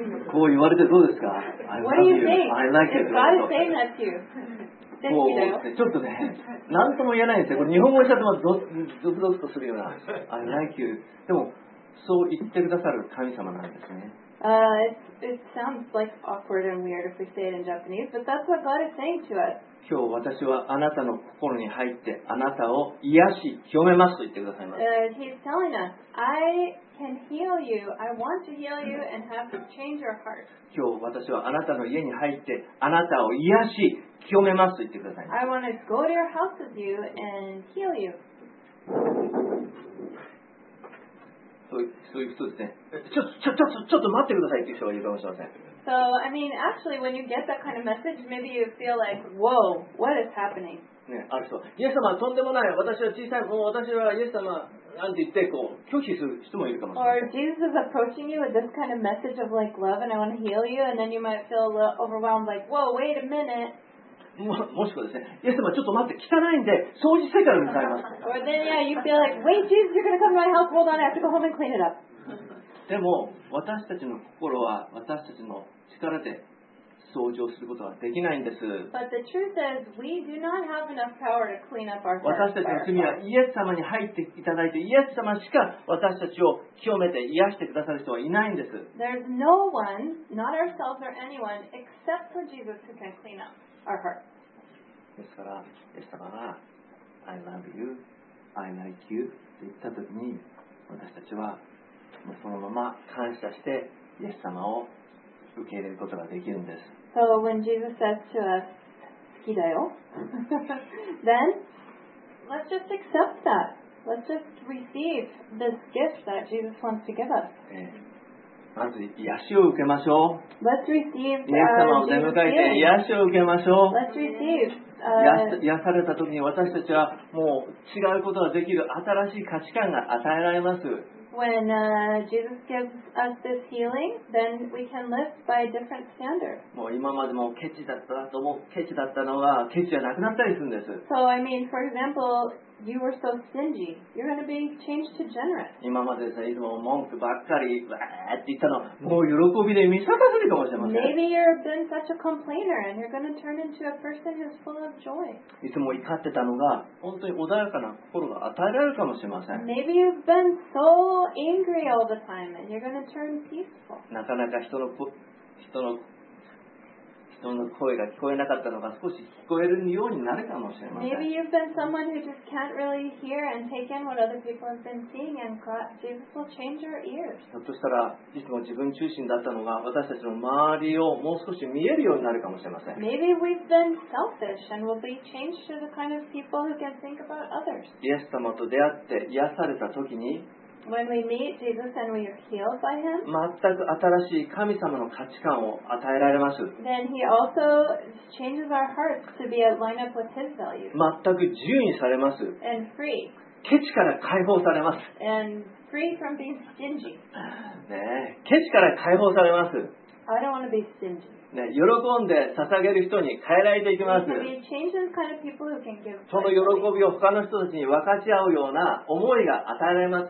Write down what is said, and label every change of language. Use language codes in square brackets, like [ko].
[ja] こう言われてどうですか？ [en] I love you. I like you. God is saying that to you. [ja] もうちょっとね、なんとも言えないんですよ。これ日本語にしたらゾクゾクとするような。 [en] I like you. [ja] でも、そう言ってくださる神様なんですね。 [en] It sounds like awkward and weird if we say it in Japanese, but that's what God is saying to us. [ja] 今日私はあなたの心に入って、あなたを癒し、清めますと言ってくださいます。 [en] He's telling us, I can heal you, I want to heal you and have to change your heart. [ja] 今日私はあなたの家に入って、あなたを癒し、清めますと言ってください。 [en] I want to go to your house with you and heal you. [ja] そういう人ですね。ちょっと待ってくださいという人がいるかもしれません。 [en] So, I mean, actually, when you get that kind of message, maybe you feel like, whoa, what is happening? [ja] ね、ある人は、イエス様、とんでもない。私は小さい。もう私はイエス様、なんて言って、こう、拒否する人もいるかもしれません。 [en] Or Jesus is approaching you with this kind of message of, like, love and I want to heal you, and then you might feel a little overwhelmed, like, whoa, wait a minute. [ja] もしくはですね、イエス様ちょっと待って、汚いんで掃除してから向かいます。 [en] Or then, yeah, you feel like, wait, Jesus, you're gonna come to my house. Hold on, I have to go home and clean it up. [ja] でも私たちの心は私たちの力で掃除をすることはできないんです。 [en] But the truth is, we do not have enough power to clean up ourselves. [ja] 私たちの罪はイエス様に入っていただいて、イエス様しか私たちを清めて癒してくださる人はいないんです。 [en] There's no one, not ourselves or anyone, except for Jesus who can clean up. [ja] ですから、イエス様が [en] I love you, I like you [ja] と言った時に私たちはそのまま感謝してイエス様を受け入れることができるんです。 [en] So when Jesus says to us, [ja] 好きだよ [en] then let's just accept that. Let's just receive this gift that Jesus wants to give us. [ja] まず癒しを受けましょう。 [en] Let's receive the Jesus healing. [ja] 皆様を出迎えて癒しを受けましょう。 [en] Let's receive. [ja] 癒された時に私たちはもう違うことができる新しい価値観が与えられます。 [en] When Jesus gives us this healing, then we can live by a different standard. [ja] もう今までもケチだったと思う、ケチだったのがケチじゃなくなったりするんです。 [en] So I mean, for example, you were so stingy. You're going to be changed to generous. [ja] 今までさ、いつも文句ばっかり、わーって言ったの、もう喜びで満たされるかもしれません。 [en] Maybe you've been such a complainer, and you're going to turn into a person who's full of joy. [ja] いつも怒ってたのが、本当に穏やかな心が与えられるかもしれません。 [en] Maybe you've been so angry all the time, and you're going to turn peaceful. [ja] なかなか人の声が聞こえなかったのが少し聞こえるようになるかもしれません。 [en] Maybe you've been someone who just can't really hear and take in what other people have been seeing, and Jesus will change your ears. [ja] ひょっとしたらいつも自分中心だったのが私たちの周りをもう少し見えるようになるかもしれません。 [en] Maybe we've been selfish and will be changed to the kind of people who can think about others. [ja] イエス様と出会って癒された時に。 [en] When we meet Jesus and we are healed by him, [ja] 全く新しい神様の価値観を与えられます。 [en] Then he also changes our hearts to be aligned up with his values. [ja] 全く自由にされます。 [en] And free. [ja] ケチから解放されます。 [en] And free from being stingy. [ja] ねえ、ケチから解放されます。 [en] I don't want to be stingy. [ja] ね、喜んで捧げる人に変えられていきます。その喜びを他の人たちに分かち合うような思いが与えられます。